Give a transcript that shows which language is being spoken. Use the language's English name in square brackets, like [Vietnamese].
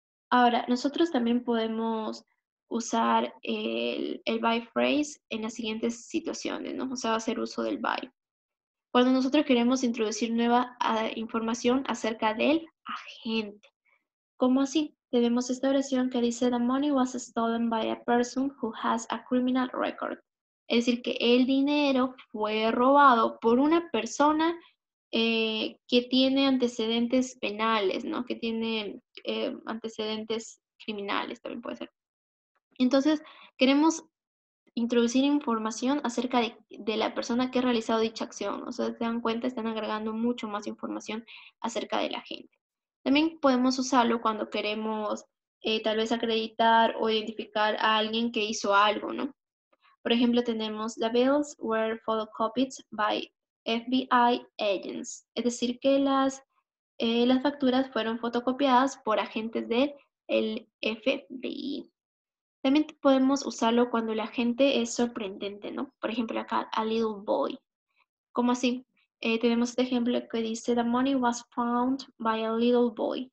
[Spanish] Ahora, nosotros también podemos usar el by phrase en las siguientes situaciones, ¿no? O sea, hacer uso del by. Cuando nosotros queremos introducir nueva información acerca del agente. ¿Cómo así? Tenemos esta oración que dice, [English] the money was stolen by a person who has a criminal record. [Spanish] Es decir, que el dinero fue robado por una persona que tiene antecedentes penales, ¿no? Que tiene antecedentes criminales, también puede ser. Entonces, queremos introducir información acerca de la persona que ha realizado dicha acción. O sea, se dan cuenta, están agregando mucho más información acerca de la gente. También podemos usarlo cuando queremos tal vez acreditar o identificar a alguien que hizo algo, ¿no? Por ejemplo, tenemos, [English] the bills were photocopied by FBI agents. [Spanish] Es decir, que las facturas fueron fotocopiadas por agentes del FBI. También podemos usarlo cuando la gente es sorprendente, ¿no? Por ejemplo, acá, a little boy. ¿Cómo así? Tenemos este ejemplo que dice, [English] the money was found by a little boy.